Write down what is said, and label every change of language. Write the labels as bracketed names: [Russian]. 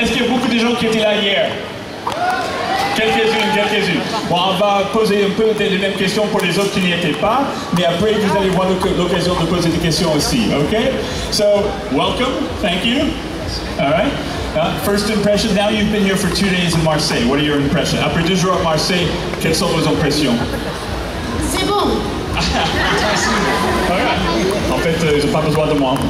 [French] Est-ce qu'il y a beaucoup de gens qui étaient là hier? Quelques-unes. Bon, on va poser un peu les mêmes questions pour les autres qui n'y étaient pas, mais après vous allez voir l'occasion de poser des questions aussi. [English] OK? So, welcome. Thank you. All right. First impression, now you've been here for 2 days in Marseille. What are your impressions? [French] Après 2 jours à Marseille, quelles sont vos impressions? C'est bon. En fait, ils n'ont pas besoin de moi.